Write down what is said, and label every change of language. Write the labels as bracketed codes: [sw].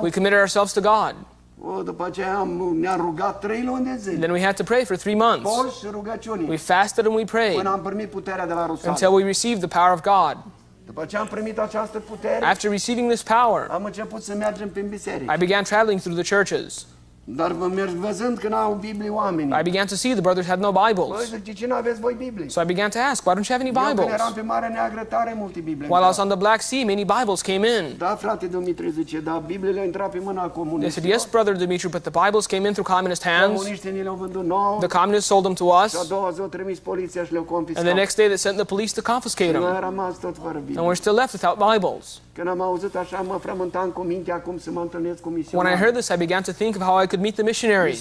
[en] We committed ourselves to God. Then we had to pray for 3 months. We fasted and we prayed. [ro] Până am primit puterea de la Rusalii. [en] Until we received the power of God. [ro] După ce am primit această putere, [en] after receiving this power, [ro] am început să mergem prin biserici. [en] I began traveling through the churches. [ro] Dar vă merg văzând că n-au Biblie oamenii. [en] I began to see the brothers had no Bibles. [ro] Ce n-aveți voi Biblie? [en] So I began to ask, why don't you have any Bibles? [ro] Eu când eram pe Marea Neagră, tare multe Biblie. [en] While I was on the Black Sea, many Bibles came in. [ro] Da, frate Dumitru, zice, da, Bibliile au intrat pe mâna comunistilor. [en] They said, yes, brother Dumitru, but the Bibles came in through communist hands. [ro] Comuniștii ni le-au vândut nouă. [en] The communists sold them to us. [ro] Și a doua zi au trimis poliția și le-au confiscat. [en] And the next day they sent the police to confiscate them. [ro] Și noi am rămas tot fără Biblie. [en] And we're still left without Bibles. [ro] Când am auzit așa, mă frământam cu mintea acum să mă întâlnesc cu misiunea. [en] When I heard this, I began to think of how I could meet the missionaries.